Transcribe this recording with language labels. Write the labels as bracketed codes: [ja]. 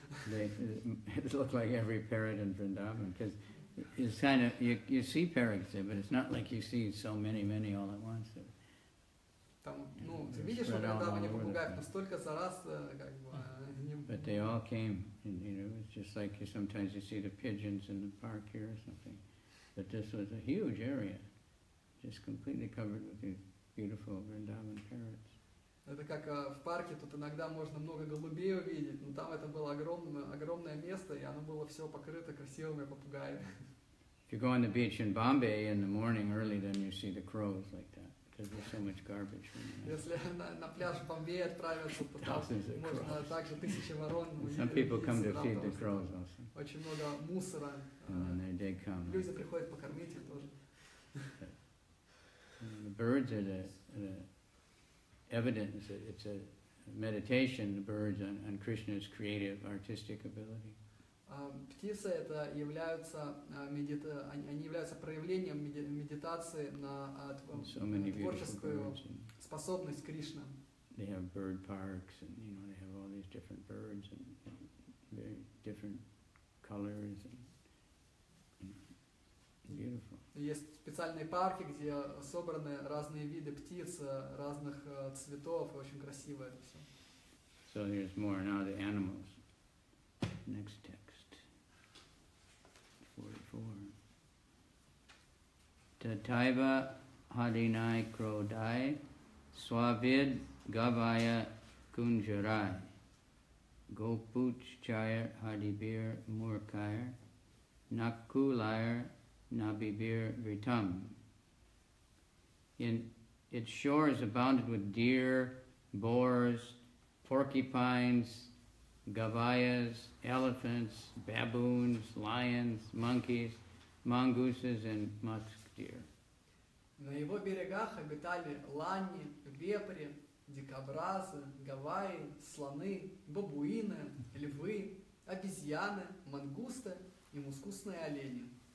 [en] It looked like every parrot in Vrindavan, because it's kind of you see parrots there, but it's not like you see so many all at once. [ru] Там, ну, ты видишь, что Vrindavan попугаев настолько за раз, как бы. [en] But they all came, and, you know, it's just like you, sometimes you see the pigeons in the park here or something. But this was a huge area, just completely covered with these beautiful Vrindavan parrots. [ru] Это как в парке, тут иногда можно много голубей увидеть, но там это было огромное место, и оно было все покрыто красивыми попугаями. [en] If you go on the beach in Bombay in the morning early, then you see the crows like that, because there's so much garbage. [ru] Если на пляж в Бомбее отправиться, то можно также тысячи ворон увидеть. [en] Some people come to feed the crows also. [ru] Очень много мусора. [en] And then they come. [ru] Люди приходят покормить их тоже. [en] The birds are the evidence that it's a meditation, the birds, on Krishna's creative, artistic ability. [ru] Птицы это являются они являются проявлением медитации на творческую способность Кришны. [en] They have bird parks, and you know they have all these different birds and very different colors and beautiful. [ru] Есть специальные парки, где собраны разные виды птиц, разных цветов, и очень красиво это все. [en] So here's more now the animals. Next text. 44. [sa] Tataiva hadinai krodai swavid gavaya kunjarai gopuchchayar hadibir murkair nakulair Nabibir Vritam. [en] In its shores abounded with deer, boars, porcupines, gavayas, elephants, baboons, lions, monkeys, mongooses, and musk deer. [ru] На его берегах обитали лани, вепри, дикобразы, гаваи, слоны, бабуины, львы, обезьяны, мангусты и мускусные олени.